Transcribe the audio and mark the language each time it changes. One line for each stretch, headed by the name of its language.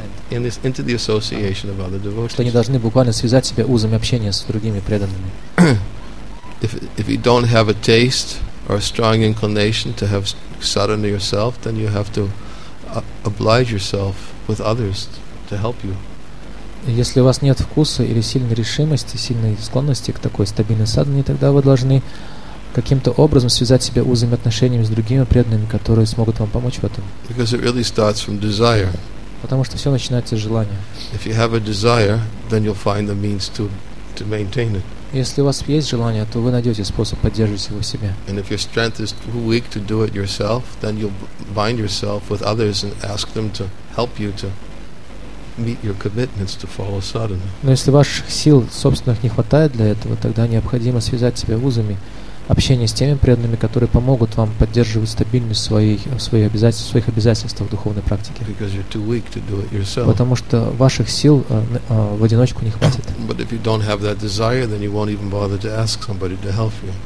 English: into the association of other devotees.
Russian: Что они должны буквально связать себя узами общения с другими преданными.
English: If you don't have a taste or a strong inclination to have sadhana yourself, then you have to oblige yourself with others to help you.
Russian: Если у вас нет вкуса или сильной решимости, сильной склонности к такой стабильной садхане, тогда вы должны каким-то образом связать себя узами отношениями с другими преданными, которые смогут вам помочь в этом.
English: Because it really starts from desire.
Russian: Потому что все начинается с желания.
English: If you have a desire, then you'll find the means to maintain it.
Russian: Если у вас есть желание, то вы найдете способ поддерживать его в себе.
English: And if your strength is too weak to do it yourself, then you'll bind yourself with others and ask them to help you to meet your commitments to follow sadhana.
Russian: Но если ваших сил собственных не хватает для этого, тогда необходимо связать себя узами общения с теми преданными, которые помогут вам поддерживать стабильность своих обязательств в духовной практике.
English: Because you're too weak to do it yourself.
Russian: Потому что ваших сил в одиночку не хватит.
English: But if you don't have that desire, then you won't even bother to ask somebody to help you.